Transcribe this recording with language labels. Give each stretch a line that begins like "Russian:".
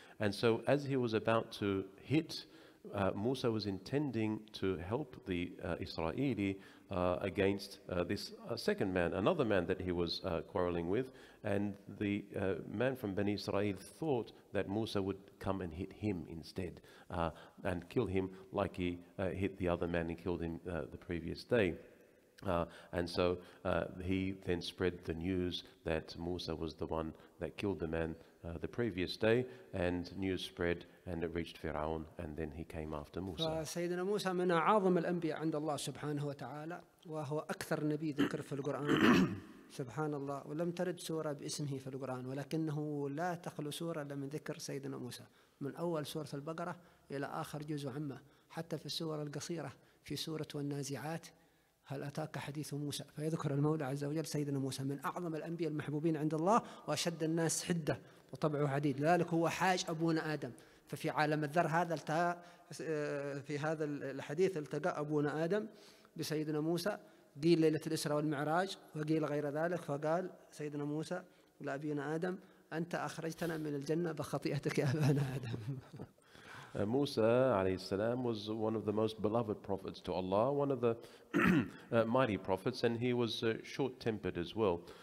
English: And so as he was about to hit, Musa was intending to help the Israeli against this second man, another man that he was quarreling with, and the man from Bani Israel thought that Musa would come and hit him instead and kill him like he hit the other man and killed him the previous day. And so he then spread the news that Musa was the one that killed the man the previous day, and news spread and it reached Fir'aun, and then he came after Musa.
Arabic: فسيدنا موسى من أعظم الأنبياء عند الله سبحانه وتعالى, وهو أكثر نبي ذكر في القرآن سبحان الله, ولم ترد سورة باسمه في القرآن, ولكنه لا تخلو سورة من ذكر سيدنا موسى من أول سورة البقرة إلى آخر جزء عمه, حتى في السورة القصيرة في سورة والنازعات هل أتاك حديث موسى, فيذكر المولى عز وجل سيدنا موسى من أعظم الأنبياء المحبوبين عند الله وأشد الناس حدة وطبعه حديد, لذلك هو حاج أبونا آدم. ففي عالم الذر هذا في هذا الحديث التقى أبونا آدم بسيدنا موسى, قيل ليلة الإسراء والمعراج وقيل غير ذلك, فقال سيدنا موسى لأبينا آدم أنت أخرجتنا من الجنة بخطيئتك يا أبانا آدم.
English: Musa alayhi salam was one of the most beloved prophets to Allah, one of the mighty prophets, and he was short-tempered as well.